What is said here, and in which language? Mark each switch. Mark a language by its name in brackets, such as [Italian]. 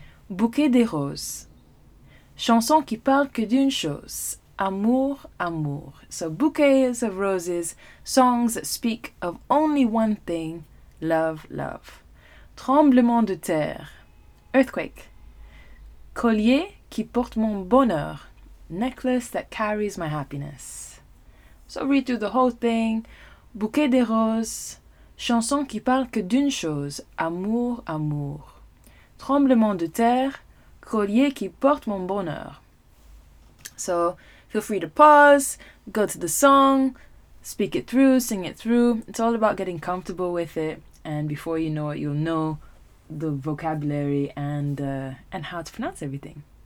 [French] Bouquet de roses, chanson qui parle que d'une chose, amour, amour. [English] So bouquets of roses, songs that speak of only one thing, love, love. [French] Tremblement de terre, earthquake. Collier qui porte mon bonheur, [English] necklace that carries my happiness. So read through the whole thing. [French] Bouquet de roses, chanson qui parle que d'une chose, amour, amour. Tremblement de terre, collier qui porte mon bonheur. [English] So feel free to pause, go to the song, speak it through, sing it through. It's all about getting comfortable with it, and before you know it, you'll know the vocabulary and how to pronounce everything.